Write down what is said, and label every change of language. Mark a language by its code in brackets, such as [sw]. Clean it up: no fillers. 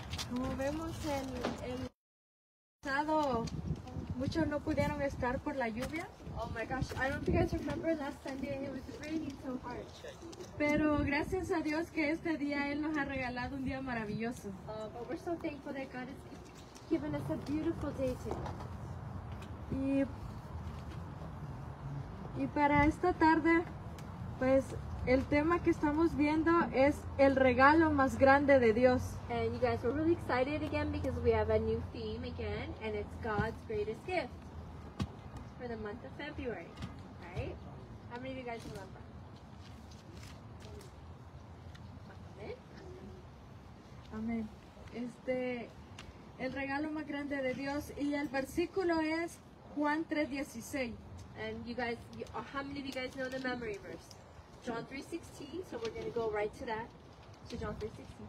[es] Como vemos el pasado, muchos no pudieron estar por la lluvia. [en] Oh my gosh, I don't think I remember last Sunday, it was raining so hard. [es] Pero gracias a Dios que este día Él nos ha regalado un día maravilloso. [en] But we're so thankful that God has given us a beautiful day today. [es] Y para esta tarde, pues el tema que estamos viendo es el regalo más grande de Dios. [en] And you guys, we're really excited again because we have a new theme again, and it's God's greatest gift for the month of February, right? How many of you guys remember? Amen. Amen. [es] Este, el regalo más grande de Dios, y el versículo es Juan 3:16. [en] And you guys, how many of you guys know the memory verse? John 3:16, so we're going to go right to that, to John 3:16.